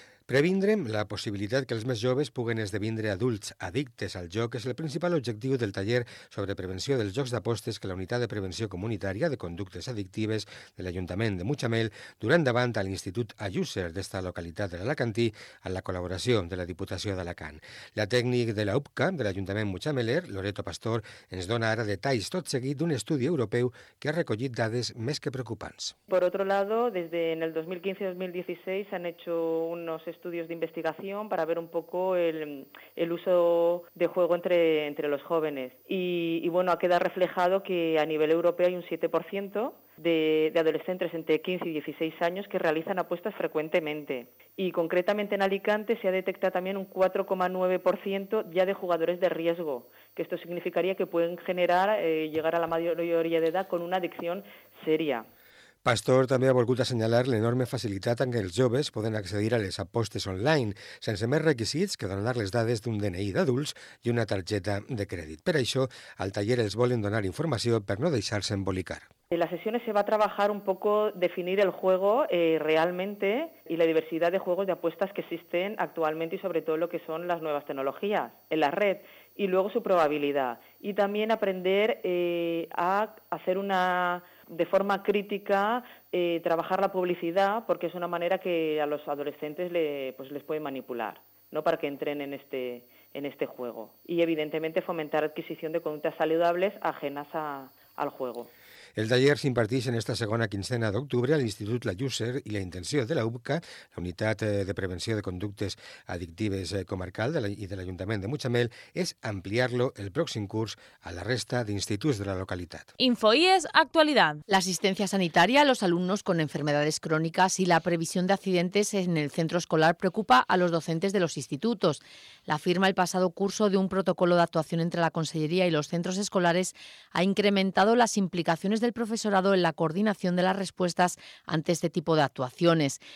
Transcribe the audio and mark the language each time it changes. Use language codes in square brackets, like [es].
[ca] Previndre la possibilitat que els més joves puguen esdevindre adults addictes al joc és el principal objectiu del taller sobre prevenció dels jocs d'apostes que la Unitat de Prevenció Comunitària de Conductes Addictives de l'Ajuntament de Mutxamel durà endavant a l'Institut Ayuser d'esta localitat de l'Alacantí amb la col·laboració de la Diputació d'Alacant. La tècnic de la UPCA de l'Ajuntament Mutxameler, Loreto Pastor, ens dona ara detalls tot seguit d'un estudi europeu que ha recollit dades més que preocupants. [es] Por otro lado, desde en el 2015-2016 se han hecho unos estudios de investigación para ver un poco el uso de juego entre los jóvenes. Y bueno, ha quedado reflejado que a nivel europeo hay un 7% de adolescentes entre 15 y 16 años que realizan apuestas frecuentemente. Y concretamente en Alicante se ha detectado también un 4,9% ya de jugadores de riesgo, que esto significaría que pueden llegar a la mayoría de edad con una adicción seria. [ca] Pastor també ha volgut assenyalar l'enorme facilitat en què els joves poden accedir a les apostes online, sense més requisits que donar les dades d'un DNI d'adults i una targeta de crèdit. Per això, al taller els volen donar informació per no deixar-se embolicar. [es] En las sesiones se va a trabajar un poco definir el juego realmente y la diversidad de juegos de apuestas que existen actualmente y sobre todo lo que son las nuevas tecnologías en la red y luego su probabilidad. Y también aprender a hacer una... de forma crítica, trabajar la publicidad, porque es una manera que a los adolescentes les puede manipular, ¿no?, para que entren en este juego. Y, evidentemente, fomentar adquisición de conductas saludables ajenas al juego. [ca] El taller s'imparteix en esta segona quinzena d'octubre a l'Institut Ayuser i la intenció de la UPCA, la Unitat de Prevenció de Conductes Addictives Comarcal i de l'Ajuntament de Mutxamel, és ampliar-lo el pròxim curs a la resta d'instituts de la localitat. [es] InfoIES Actualidad. [ca] L'assistència sanitària [es] a los alumnos con enfermedades crónicas y la previsión de accidentes en el centro escolar preocupa a los docentes de los institutos. La firma el pasado curso de un protocolo de actuación entre la Conselleria i los centros escolares ha incrementado las implicaciones del profesorado en la coordinación de las respuestas ante este tipo de actuaciones.